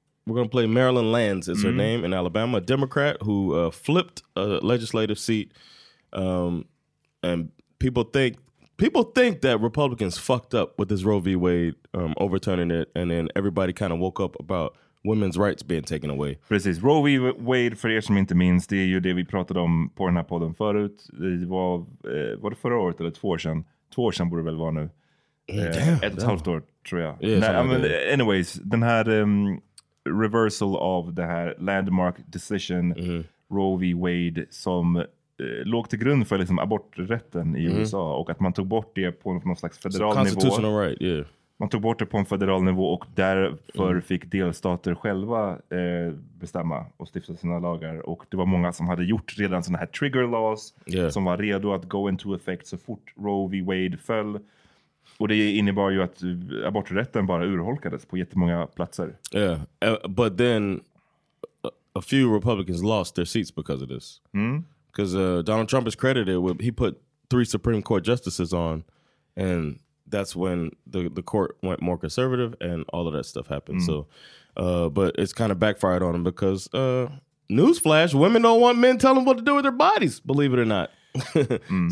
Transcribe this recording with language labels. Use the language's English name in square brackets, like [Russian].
[English] We're going to play Marilyn Lands is her name in Alabama, a Democrat who flipped a legislative seat. And people think that Republicans fucked up with this Roe v. Wade overturning it. And then everybody kind of woke up about women's rights being taken away. [Swedish] Precis. Roe v. Wade, för er som inte minns, det är ju det vi pratade om på den här podden förut. Det var det förra året eller två år sedan? Två år sedan borde det väl vara nu. Ett och ett halvt år, tror jag. [English] Yeah, [Swedish] anyways, den här reversal av det här [English] landmark decision, [Swedish] Roe v. Wade, som låg till grund för liksom, aborträtten i USA. Och att man tog bort det på någon slags federal nivå. [English] Constitutional right, yeah. [Swedish] Man tog bort det på en federal nivå och därför fick delstater själva bestämma och stifta sina lagar. Och det var många som hade gjort redan sådana här [English] trigger laws [Swedish] som var redo att [English] go into effect [Swedish] så fort Roe v. Wade föll. Och det innebar ju att aborträtten bara urholkades på jättemånga platser. Ja, yeah. [English] But then a few Republicans lost their seats because of this. Mm. Because Donald Trump is credited with, he put three Supreme Court justices on, and that's when the court went more conservative and all of that stuff happened. Mm. So, but it's kind of backfired on him because, newsflash, women don't want men telling them what to do with their bodies, believe it or not. Mm.